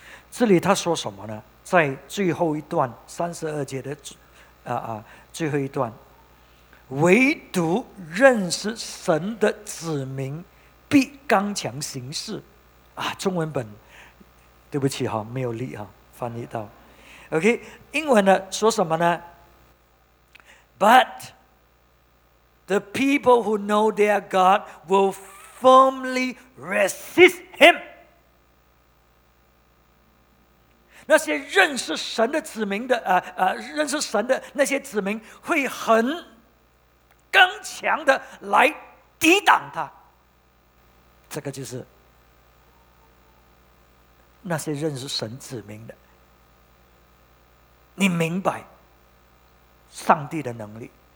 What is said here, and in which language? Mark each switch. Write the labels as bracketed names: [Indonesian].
[Chinese] 这里他说什么呢？在最后一段32节的最后一段，唯独认识神的子民必刚强行事啊。中文本，对不起哈，没有力哈，翻译到 OK。英文呢说什么呢？ [English] But the people who know their God will firmly resist him。 [Chinese] 那些认识神的子民的认识神的那些子民会很刚强的来抵挡他。这个就是那些认识神子民的，你明白上帝的能力。